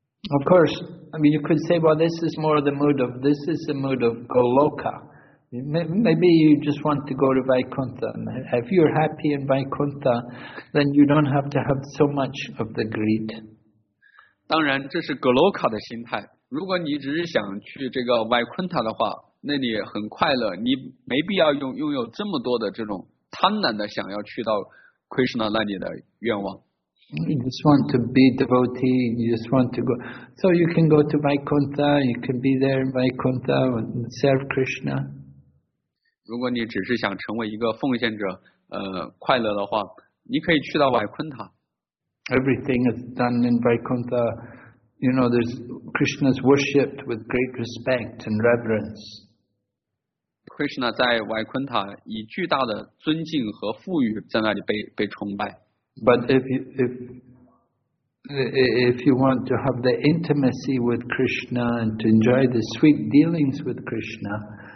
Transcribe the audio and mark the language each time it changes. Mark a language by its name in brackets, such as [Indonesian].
[English] Of course, I mean, you could say, well, this is the mood of Goloka. Maybe you just want to go to Vaikuntha. If you're happy in Vaikuntha, then you don't have to have so much of the greed. [Chinese] 当然，这是格罗卡的心态。如果你只是想去这个 Vaikuntha 的话，那你很快乐，你没必要拥有这么多的这种贪婪的想要去到 Krishna 那里的愿望。 [English] You just want to be devotee, you just want to go. So you can go to Vaikuntha, you can be there in Vaikuntha and serve Krishna. [Chinese] 如果你只是想成为一个奉献者，快乐的话，你可以去到维昆塔。 [English] Everything is done in Vaikuntha. You know, there's Krishna's worshipped with great respect and reverence. [Chinese] Krishna 在维昆塔以巨大的尊敬和富裕在那里被崇拜。 [English] But if you want to have the intimacy with Krishna and to enjoy the sweet dealings with Krishna.